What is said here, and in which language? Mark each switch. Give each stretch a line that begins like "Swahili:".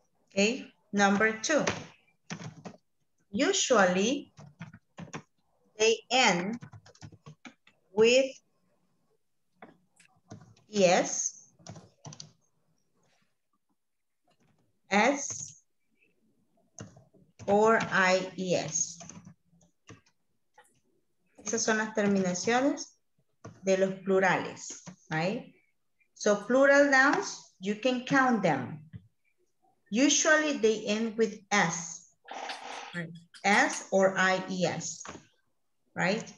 English: Okay, number two. Usually, they end with yes, s, or ies.
Spanish: Esas son las terminaciones de los plurales,
English: right? So plural nouns, you can count them. Usually they end with s, right? S or ies, right?